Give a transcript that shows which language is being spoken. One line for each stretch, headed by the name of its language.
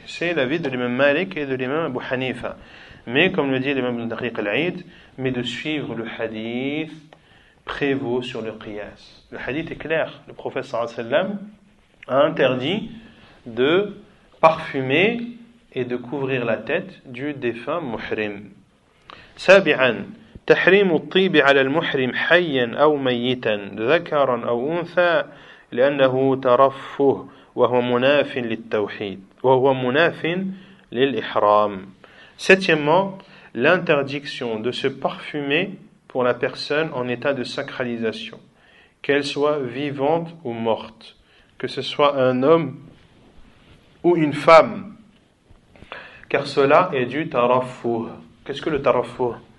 French: C'est l'avis de l'imam Malik et de l'imam Abu Hanifa. Mais comme le dit l'imam Ibn Daqiq al-Eid, mais de suivre le hadith prévaut sur le qiyas. Le hadith est clair. Le prophète
Arabic: sallallahu alayhi wa sallam
French: a interdit de parfumer et de couvrir la tête du défunt muhrim.
Arabic: سابعا تحريم الطيب على المحرم حيا أو ميتا ذكرا أو أنثى لأنه ترفه وهو مناف للتوحيد وهو مناف للإحرام.
French: Septièmement, l'interdiction de se parfumer pour la personne en état de sacralisation, qu'elle soit vivante ou morte, que ce soit un homme ou une femme, car cela est du tarafuh. Qu'est-ce que le tarafuh?